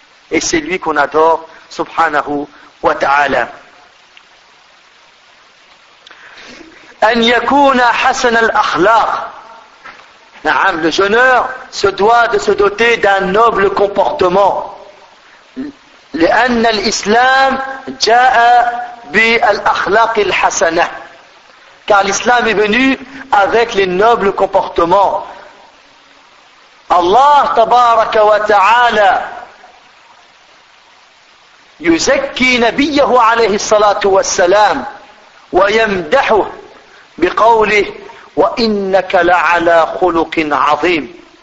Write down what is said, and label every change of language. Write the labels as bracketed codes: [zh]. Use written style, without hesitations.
[fr] Et c'est lui qu'on adore, subhanahu wa ta'ala. [ar] An yakuna hasan al-akhlaq. Na'am, [fr] le jeûneur se doit de se doter d'un noble comportement. [ar] لأن الإسلام جاء بالأخلاق الحسنة. [fr] Car l'islam est venu avec les nobles comportements. [ar] الله تبارك وتعالى يزكي نبيه عليه الصلاة والسلام ويمدحه بقوله وإنك لعلى خلق عظيم.